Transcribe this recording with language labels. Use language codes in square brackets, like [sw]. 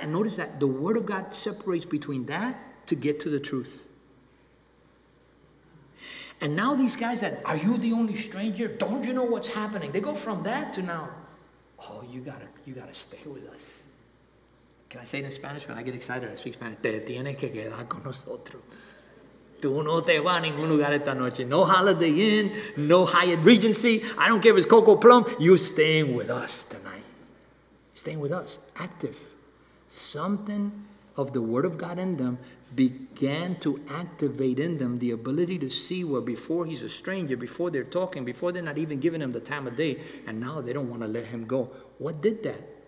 [en] And notice that the word of God separates between that to get to the truth. And now these guys that, are you the only stranger? Don't you know what's happening? They go from that to now, oh, you gotta stay with us. Can I say it in Spanish? When I get excited, I speak Spanish. [es] Te tienes que quedar con nosotros. Tú no te vas a ningún lugar esta noche. [en] No Holiday Inn, no Hyatt Regency. I don't care if it's Coco Plum. You staying with us tonight. Staying with us. Active. Something of the word of God in them began to activate in them the ability to see where before he's a stranger, before they're talking, before they're not even giving him the time of day, and now they don't want to let him go. What did that?